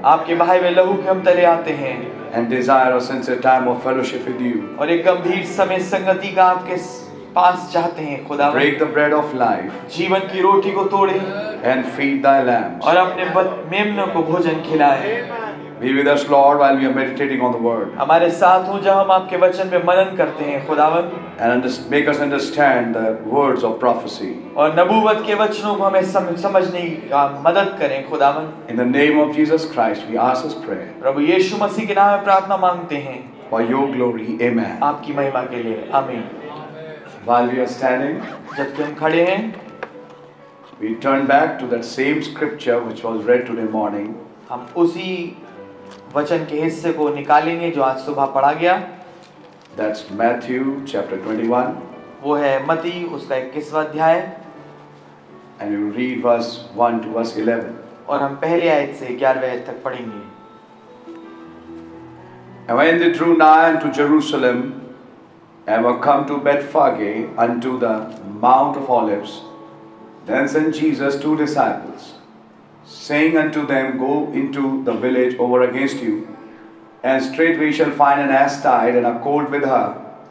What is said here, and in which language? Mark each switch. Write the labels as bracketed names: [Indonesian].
[Hindi] आपके बहाए हुए लहू के हम तले आते हैं। [English] And desire a sincere time of fellowship with you. [Hindi] और एक गंभीर समय संगति का आपके पास चाहते हैं खुदा। [English] Break the bread of life. [Hindi] जीवन की रोटी को तोड़े। [English] And feed thy lambs. [Hindi] और अपने मेमनों को भोजन खिलाए। [English] Be with us, Lord, while we are meditating on the word. [Hindi] हमारे साथ हो जहां हम आपके वचन पे मनन करते हैं, खुदावन. [English] And make us understand the words of prophecy. [Hindi] और नबुवत के वचनों को हमें समझने का मदद करें, खुदावन. [English] In the name of Jesus Christ, we ask this prayer. [Hindi] प्रभु यीशु मसीह के नाम में प्रार्थना मांगते हैं. [English] For your glory, Amen. [Hindi] आपकी महिमा के लिए, आमीन. [English] While we are standing, [Hindi] जबकि हम खड़े हैं, [English] we turn back to that same scripture which was read today morning. [Hindi] हम उसी वचन के हिस्से को निकालेंगे जो आज सुबह पढ़ा गया. [English] That's Matthew chapter 21. [Hindi] वो है मती, उसका 21वां अध्याय. [English] And we read verse 1 to verse 11. [Hindi] और हम पहले आयत से 11वें आयत तक पढ़ेंगे. [English] And when they drew nigh unto Jerusalem, and were come to Bethphage unto the Mount of Olives, then sent Jesus two disciples, saying unto them, Go into the village over against you, and straightway shall find an ass tied and a colt with her.